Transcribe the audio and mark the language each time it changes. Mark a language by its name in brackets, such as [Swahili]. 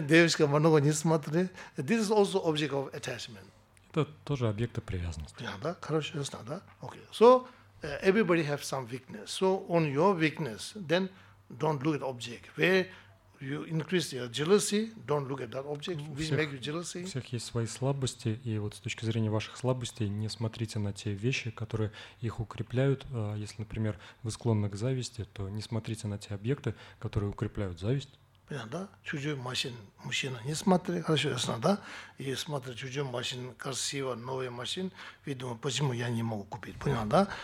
[Russian] Девочка много не смотри. [English] This is also object of attachment. [Russian] Это тоже объекты привязанности. Понятно, да? Хорошо, ясно, да? [English] Okay. So, everybody have some weakness. So, on your weakness, then don't look at object. Where you increase your jealousy, don't look at that object, which make you jealousy. [Russian] У всех есть свои слабости, и вот с точки зрения ваших слабостей не смотрите на те вещи, которые их укрепляют. Если, например, вы склонны к зависти, то не смотрите на те объекты, которые укрепляют зависть. Понятно, да? Чужой машин мужчина не смотри, хорошо, ясно, да? И смотри чужой машин, красиво, новый машин, вы думаете, почему я не могу купить, понятно, да?